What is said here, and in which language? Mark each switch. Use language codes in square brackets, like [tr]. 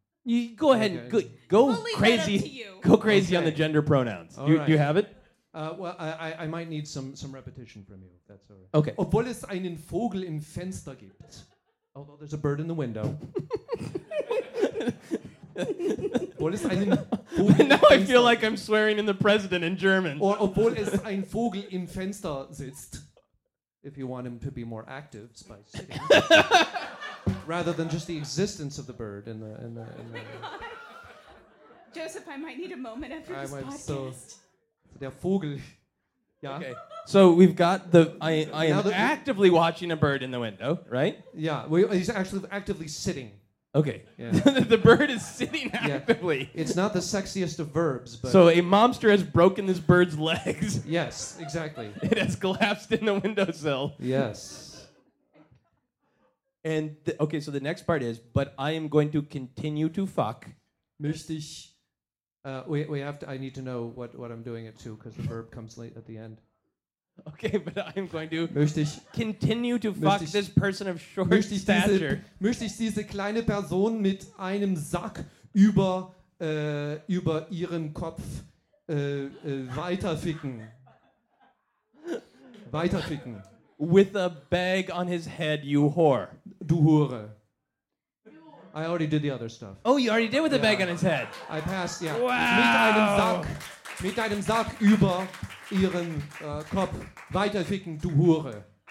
[en] You go ahead and go crazy. Go crazy on the gender pronouns. Do you have it? I might need some repetition from you. That's all right. Okay. [de] Obwohl es einen Vogel im Fenster gibt. Although there's a bird in the window. [en] Now I feel like I'm swearing in the president in German. [de] Or obwohl es ein Vogel im Fenster sitzt. [en] If you want him to be more active, by sitting, rather than just the existence of the bird in the. Oh my God. Joseph, I might need a moment after this podcast. [de] So der Vogel. Yeah. [en] Okay. So we've got I am actively watching a bird in the window, right? Yeah. He's actually actively sitting. Okay. Yeah. The bird is sitting actively. Yeah. It's not the sexiest of verbs, but so a mobster has broken this bird's legs. Yes, exactly. It has collapsed in the windowsill. Yes. And okay, so the next part is, but I am going to continue to fuck. [de] Möchte ich? [en] We have to. I need to know what I'm doing it to because the verb comes late at the end. Okay, but I'm going to continue to fuck this person of short stature. [de] Möchte ich diese kleine Person mit einem Sack über ihren Kopf weiterficken. [en] With a bag on his head, you whore. Du Hure. I already did the other stuff. Oh, you already did with a bag on his head. I passed, yeah. Wow. [de] Mit einem Sack über ihren Kopf weiterficken, du Hure.